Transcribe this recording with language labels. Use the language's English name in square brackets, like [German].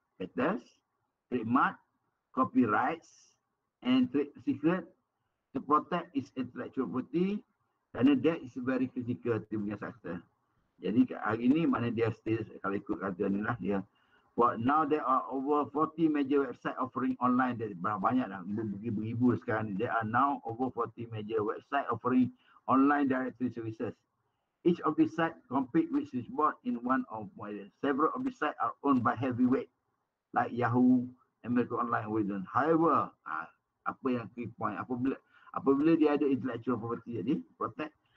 [English] Patents, trademark, copyrights, and trade secret to protect its intellectual property. [Malay] Kerana [English] that is very critical to [Malay] punya sector. Jadi hari ni mana dia still, kalau ikut kata ni lah dia. [English] But now there are over 40 major website offering online. [Malay] Dia banyak lah, beribu-beribu sekarang ni. [English] There are now over 40 major website offering online directory services. Each of these sites compete with Switchboard in one of more. Several of these sites are owned by heavyweight like Yahoo, America Online, Amazon. However, [Malay] apa yang key point, apabila dia ada intellectual property jadi protect.